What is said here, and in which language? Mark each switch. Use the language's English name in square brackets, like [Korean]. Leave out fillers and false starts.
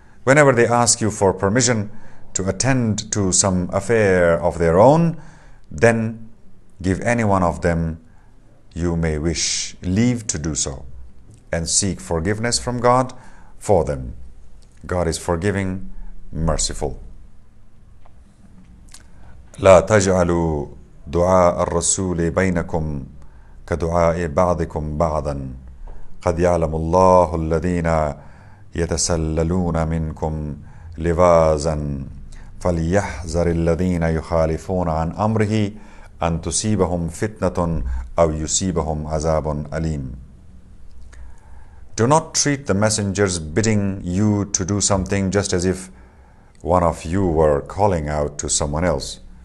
[English] Whenever they ask you for permission to attend to some affair of their own, then give any one of them you may wish leave to do so, and seek forgiveness from God for them. God is forgiving, merciful. [Arabic] لا تجعلوا دعاء الرسول بينكم كدعاء بعضكم بعضا قد يعلم الله الذين يتسللون منكم لباسا فليحذر الذين يخالفون عن أمره أن تصيبهم فتنة أو يصيبهم عذاب أليم. [English] Do not treat the messengers bidding you to do something just as if one of you were calling out to someone else.